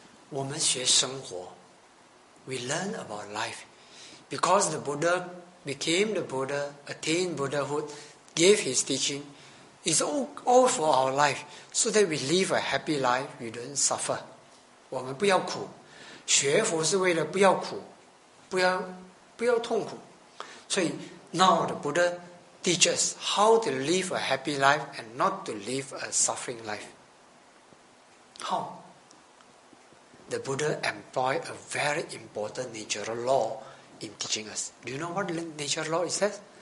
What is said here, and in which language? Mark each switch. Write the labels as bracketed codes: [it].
[zh] 我们学生活. [en] We learn about life. Because the Buddha became the Buddha, attained Buddhahood, gave his teaching, it's all for our life. So that we live a happy life, we don't suffer. [zh] 我们不要苦. 学佛是为了不要苦, 不要痛苦. 所以, [en] now the Buddha teach us how to live a happy life and not to live a suffering life. How? The Buddha employed a very important natural law in teaching us. Do you know what natural law is that?